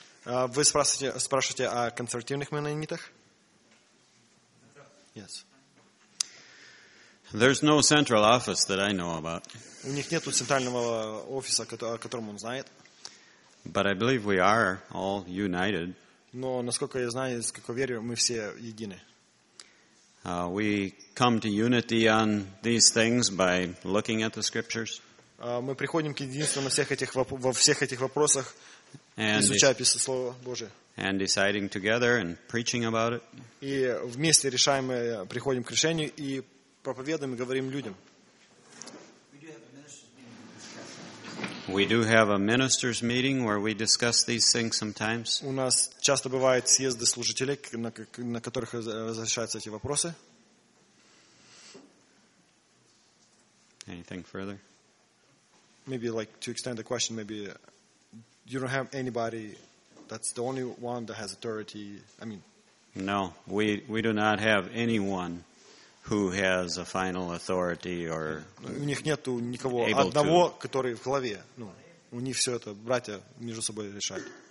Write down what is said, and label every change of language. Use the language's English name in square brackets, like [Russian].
[Russian] Вы спрашиваете о консервативных Меннонитах? [English] Yes. There's no central office that I know about. [Russian] У них нету центрального офиса, о котором он знает. [English] But I believe we are all united. [Russian] Но насколько я знаю, насколько верю, мы все едины. [English] We come to unity on these things by looking at the scriptures. [Russian] Мы приходим к единству на всех этих во всех этих вопросах, изучая Писание Слово Божие. [English] And deciding together and preaching about it. [Russian] И вместе решаем, приходим к решению и проповедуем и говорим людям. [English] We do have a ministers' meeting where we discuss these things sometimes. [Russian] У нас часто бывают съезды служителей, на которых разрешаются эти вопросы. [English] Anything further? Maybe like to extend the question, maybe you don't have anybody that's the only one that has authority. I mean, no, we do not have anyone who has a final authority or [Russian] у них нету никого одного, который в главе. Ну, у них все это братья между собой решают.